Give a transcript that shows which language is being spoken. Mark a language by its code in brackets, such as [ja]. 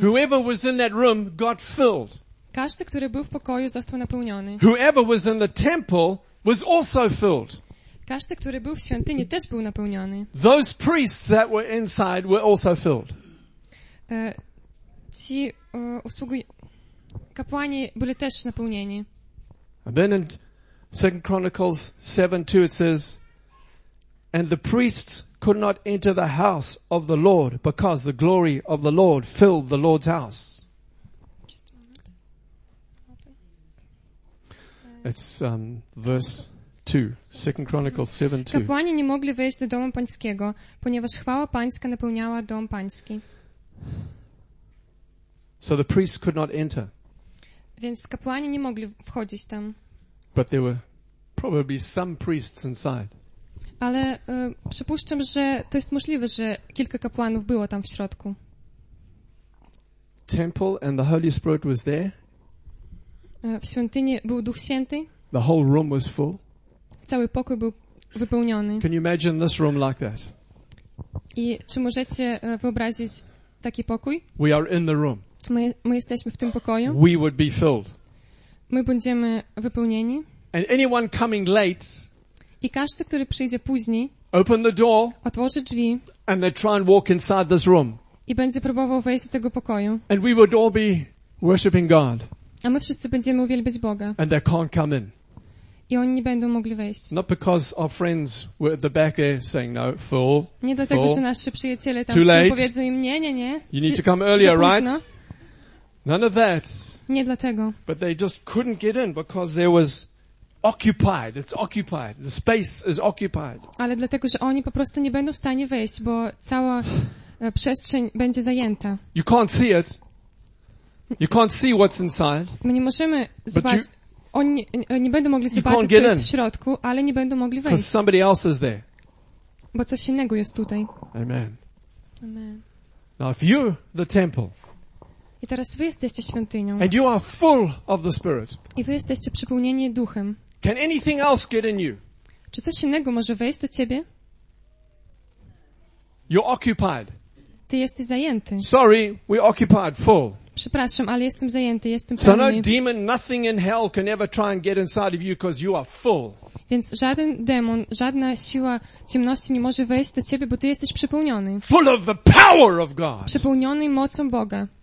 [en] Whoever was in that room got filled. [pl] Każdy, który był w pokoju, został napełniony. [en] Whoever was in the temple was also filled. [pl] Każdy, który był w świątyni, też był napełniony. [en] Those priests that were inside were also filled. [pl] Ci kapłani byli też napełnieni. [en] And then in 2 Chronicles 7:2 it says, and the priests could not enter the house of the Lord because the glory of the Lord filled the Lord's house. It's verse 2, 2 Chronicles 7:2. [pl] Kapłani nie mogli wejść do domu pańskiego, ponieważ chwała pańska napełniała dom pański. [en] So the priests could not enter. [pl] Więc kapłani nie mogli wchodzić tam. [en] But there were probably some priests inside. [pl] Ale przypuszczam, że to jest możliwe, że kilka kapłanów było tam w środku. [en] Temple and the Holy Spirit was there. [pl] W świątyni był Duch Święty. [en] The whole room was full. [pl] Cały pokój był wypełniony. [en] Can you imagine this room like that? [pl] I czy możecie wyobrazić taki pokój? [en] We are in the room. [pl] My jesteśmy w tym pokoju. [en] We would be filled. [pl] My będziemy wypełnieni. [en] And anyone coming late, [pl] i każdy, który przyjdzie później, [en] open the door, [pl] otworzy drzwi, [en] and they try and walk inside this room. [pl] I będzie próbował wejść do tego pokoju. [en] And we would all be worshiping God. [pl] A my wszyscy będziemy uwielbiać Boga. [en] And they can't come in. [pl] I oni nie będą mogli wejść. [en] Not because our friends were at the back there saying no, fool. [pl] Nie dlatego, że nasi przyjaciele tam powiedzą im nie. [en] You need to come earlier, right? None of that. [pl] Nie dlatego. [en] But they just couldn't get in because there was occupied. It's occupied. The space is occupied. [pl] Ale dlatego, że oni po prostu nie będą w stanie wejść, bo cała przestrzeń będzie zajęta. [en] You can't see it. You can't see what's inside. [pl] My nie możemy zobaczyć. Oni nie będą mogli zobaczyć, co jest w środku, ale nie będą mogli wejść. [en] Because somebody else is there. [pl] Bo coś innego jest tutaj. [en] Amen. [pl] Amen. [en] Now, if you're the temple. [pl] I teraz wy jesteście świątynią. [en] And you are full of the Spirit. [pl] I wy jesteście przepełnieni duchem. [en] Can anything else get in you? [pl] Czy coś innego może wejść do ciebie? [en] You're occupied. [pl] Ty jesteś zajęty. [en] Sorry, we're occupied, full. [pl] Przepraszam, ale jestem zajęty, jestem pełny. [en] So no demon, nothing in hell can ever try and get inside of you because you are full. [pl] Więc żaden demon, żadna siła ciemności nie może wejść do ciebie, bo ty jesteś przepełniony. [en] Full of the power of God. [pl] Przepełniony mocą Boga.